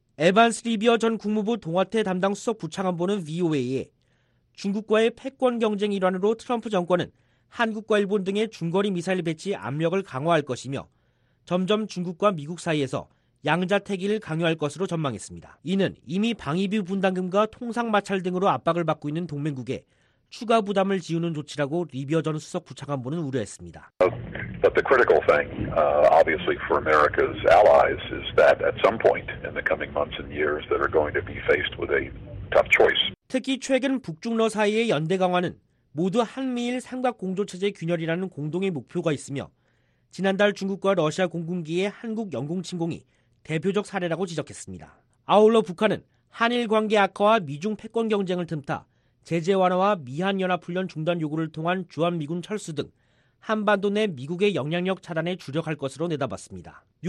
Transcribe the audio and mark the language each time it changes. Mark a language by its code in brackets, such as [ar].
[ko] 에반스 리비어 전 국무부 동아태 담당 수석 부차관보는 VOA에 중국과의 패권 경쟁 일환으로 트럼프 정권은 한국과 일본 등의 중거리 미사일 배치 압력을 강화할 것이며 점점 중국과 미국 사이에서 양자태기를 강요할 것으로 전망했습니다. 이는 이미 방위비 분담금과 통상 마찰 등으로 압박을 받고 있는 동맹국에 추가 부담을 지우는 조치라고 리비어 전 수석 부차관보는 우려했습니다. [en] But the critical thing, obviously for America's allies, is that at some point in the coming months and years, they are going to be faced with a tough choice. [ko] 특히 최근 북중러 사이의 연대 강화는 모두 한미일 삼각 공조 체제 균열이라는 공동의 목표가 있으며 지난달 중국과 러시아 공군기의 한국 영공 침공이 대표적 사례라고 지적했습니다. 아울러 북한은 한일 관계 악화와 미중 패권 경쟁을 틈타 제재 완화와 미한연합훈련 중단 요구를 통한 주한미군 철수 등 한반도 내 미국의 영향력 차단에 주력할 것으로 내다봤습니다.